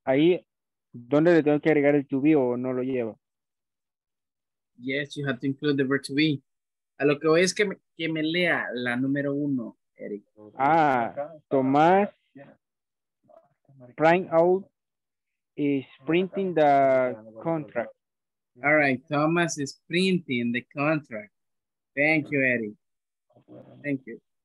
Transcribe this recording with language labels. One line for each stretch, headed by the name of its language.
Spanish: Ahí, ¿dónde le tengo que agregar el to be o no lo lleva?
English: Yes, you have to include the verb to be.
Spanish: A lo que voy es que me lea la número uno, Eric.
English: Ah, Tomás. Prime out is printing the contract. All right, Thomas is printing the contract. Thank you, Eddie. Thank you.